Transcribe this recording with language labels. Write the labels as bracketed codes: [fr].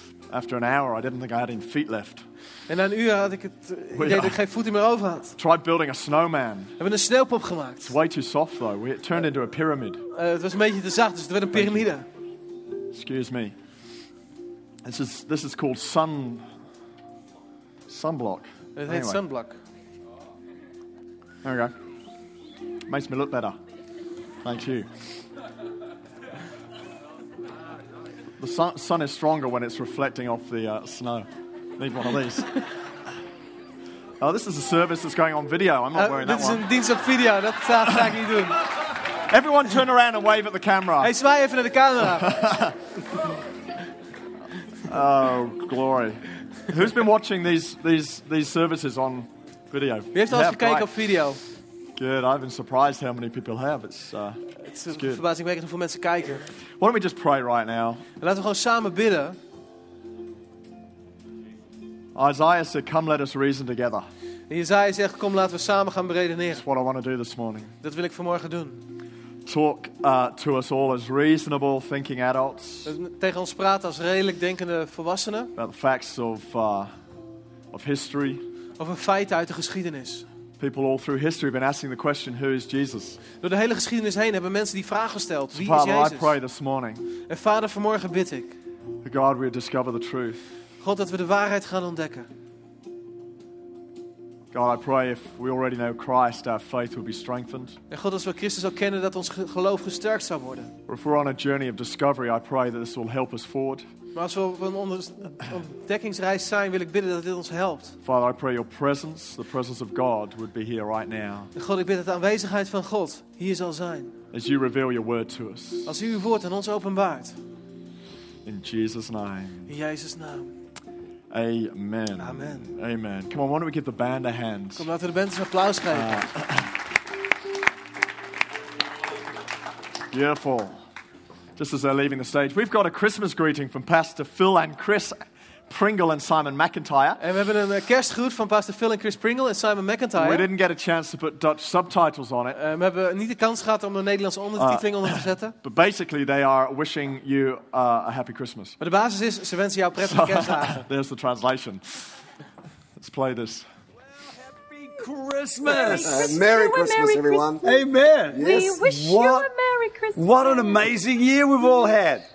[en] After an hour, I didn't think I had any feet left. [nl] En na een uur had ik het idee dat ik geen voeten meer over had. [en] Try building a snowman. [nl] We hebben een sneeuwpop gemaakt. [en] It's way too soft though. It turned into a pyramid. [nl] Het was een beetje te zacht, dus het werd een piramide. [en] Excuse me. This is called sunblock. Het heet sunblock. There we go. Makes me look better. Thank you. The sun is stronger when it's reflecting off the snow. Need one of these. Oh, this is a service that's going on video. I'm not wearing that one. [nl] Dit is een dienst op video. Dat zou ik niet doen. [en] Everyone turn around and wave at the camera. [nl] Hey, zwaai even naar de camera. [en] Oh, glory. Who's been watching these services on video? [nl] Wie heeft al eens gekeken op video? [en] Good, I've been surprised how many people have. It's good. [nl] Verbazingwekkend hoeveel mensen kijken. [en] Why don't we just pray right now? [nl] En laten we gewoon samen bidden. [en] Isaiah said, come let us reason together. [nl] En Isaiah zegt, kom laten we samen gaan redeneren. [en] That's what I want to do this morning. [nl] Dat wil ik vanmorgen doen. [en] Talk to us all as reasonable thinking adults. [nl] Tegen ons praten als redelijk denkende volwassenen. [en] About the facts of history. [nl] Over feiten uit de geschiedenis. [en] People all through history have been asking the question, who is Jesus? [nl] Door de hele geschiedenis heen hebben mensen die vraag gesteld, wie is Jezus? [en] Father, I pray this morning. [nl] En Vader, vanmorgen bid ik. [en] God, we discover the truth. [nl] God, dat we de waarheid gaan ontdekken. [en] God, I pray if we already know Christ, our faith will be strengthened. [nl] En God, als we Christus al kennen, dat ons geloof gesterkt zou worden. [en] Or if we're on a journey of discovery, I pray that this will help us forward. [nl] Maar als we op een ontdekkingsreis zijn, wil ik bidden dat dit ons helpt. [en] Father, I pray your presence, the presence of God, would be here right now. [nl] God, ik bid dat de aanwezigheid van God hier zal zijn. [en] As you reveal your word to us. [nl] Als u uw woord aan ons openbaart. [en] In Jesus' name. [nl] In Jezus' naam. [en] Amen. Amen. Amen. Come on, why don't we give the band a hand? [nl] Kom, laten we de band een applaus geven. [en] Beautiful. Just as they're leaving the stage, we've got a Christmas greeting from Pastor Phil and Chris Pringle and Simon McIntyre. [nl] En we hebben een kerstgroet van Pastor Phil en Chris Pringle en Simon McIntyre. [en] We didn't get a chance to put Dutch subtitles on it. [nl] We hebben niet de kans gehad om een Nederlandse ondertiteling onder te zetten. [en] But basically, they are wishing you a happy Christmas. [nl] Maar de basis is, ze wensen jou prettige kerstdagen. [en] There's the translation. Let's play this. Christmas. Merry Christmas, everyone. Christmas. Amen. Yes. We wish you a Merry Christmas. What an amazing year we've all had.